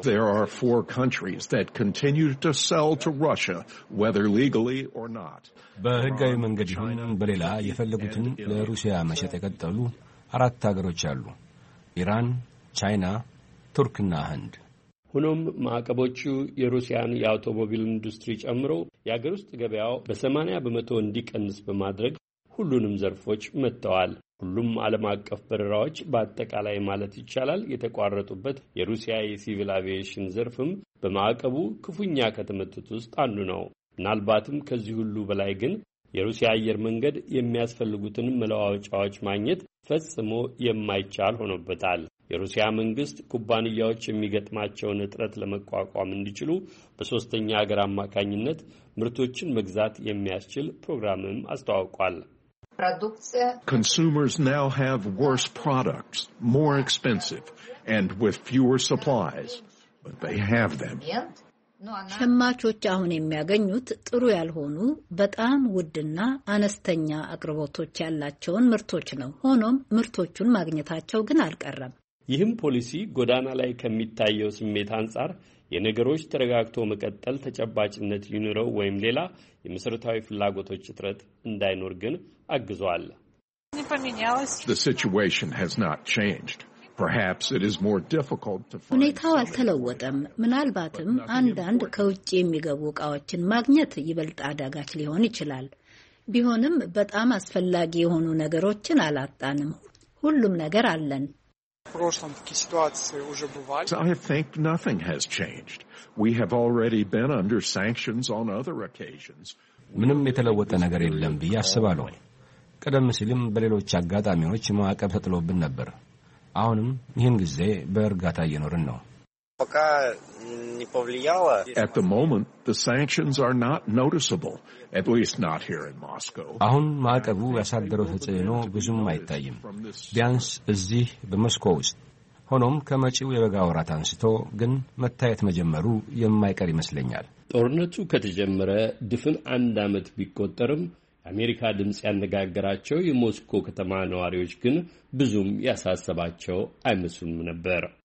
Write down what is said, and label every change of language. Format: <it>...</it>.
<en>There are four countries that continue to sell to Russia, whether legally or not.</en> <am>በህጋዊ መንገድ ይሁን በሌላ የፈለጉትን ለሩሲያ መሸጥ የቀጠሉ አራት ሀገሮች አሉ። ኢራን፣ ቻይና፣ ቱርክና ህንድ። ሁሉም ማዕቀቦቹ የሩሲያን የአውቶሞቢል ኢንዱስትሪ ጨምሮ የሀገር ውስጥ ገበያው በ80% እንዲቀንስ በማድረግ ሁሉንም ዘርፎች መጥተዋል። ሁሉም ዓለም አቀፍ በረራዎች በአጠቃላይ ማለት ይቻላል የተቋረጡበት የሩሲያ የሲቪል አቪዬሽን ዘርፍም በማዕቀቡ ክፉኛ ከተመቱት ውስጥ አንዱ ነው። ምናልባትም ከዚህ ሁሉ በላይ ግን የሩሲያ አየር መንገድ የሚያስፈልጉትን መለዋወጫዎች ማግኘት ፈጽሞ የማይቻል ሆኖበታል። የሩሲያ መንግስት ኩባንያዎች የሚገጥማቸውን እጥረት ለመቋቋም እንዲችሉ በሶስተኛ ሀገር አማካኝነት ምርቶችን መግዛት የሚያስችል ፕሮግራምም አስተዋውቋል።</am> <ru>Продукция.</ru> <en>Consumers now have worse products, more expensive, and with fewer supplies, but they have them.</en> <am>ሸማቾች አሁን የሚያገኙት ጥሩ ያልሆኑ በጣም ውድና አነስተኛ አቅርቦቶች ያላቸውን ምርቶች ነው። ሆኖም ምርቶቹን ማግኘታቸው ግን አልቀረም። ይህም ፖሊሲ ጎዳና ላይ ከመታየው ስሜት አንጻር የነገሮች ተረጋግቶ መቀጠል ተጨባጭነት ይኖረው ወይም ሌላ የመሰረታዊ ፍላጎቶች እጥረት እንዳይኖር ግን አግዟል።</am> <en>The situation has not changed. Perhaps it is more difficult to find.</en> <am>ሁኔታው አልተለወጠም። ምናልባትም አንዳንድ ከውጭ የሚገቡ እቃዎችን ማግኘት ይበልጥ አዳጋች ሊሆን ይችላል። ቢሆንም በጣም አስፈላጊ የሆኑ ነገሮችን አላጣንም። ሁሉም ነገር አለን።</am> <en>I think nothing has changed. We have already been under sanctions on other occasions.</en> <am>ምንም የተለወጠ ነገር የለም በያስባሉ። ቀደም ሲልም በሌሎች አጋጣሚዎች ማዕቀብ ተጥሎብን ነበር። አሁንም ይህን ጊዜ በእርጋታ እየኖርን ነው።</am> <en>At the moment, the sanctions are not noticeable, at least not here in Moscow.</en> <am>አሁን ማቀቡ ያሳደረው ተጽዕኖ ብዙም አይታይም። ቢያንስ እዚህ በሞስኮው ውስጥ ሆኖም ከመጪው የበጋ ወራት አንስቶ ግን መታየት መጀመሩ የማይቀር ይመስለኛል። ጦርነቱ ከተጀመረ ድፍን አንድ አመት ቢቆጠርም አሜሪካ ድምጽ ያነጋገራቸው የሞስኮ ከተማ ነዋሪዎች ግን ብዙም ያሳሰባቸው አይመስሉም ነበር።</am>